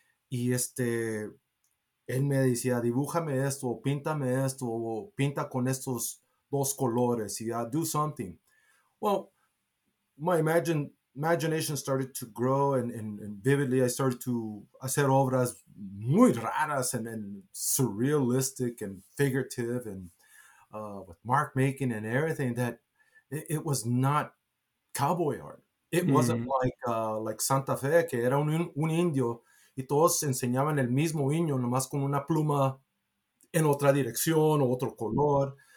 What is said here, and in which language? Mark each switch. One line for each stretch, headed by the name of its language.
Spanish: Y él me decía, dibújame esto, o píntame esto, o pinta con estos dos colores, y
English: do something. Well, my imagination started to grow, and vividly I started to
Spanish: hacer obras muy raras
English: and surrealistic and figurative and with mark making and everything, that it was not cowboy art. It wasn't like Santa Fe,
Spanish: que era un indio, y todos enseñaban el mismo niño, nomás con una pluma en otra dirección o otro color.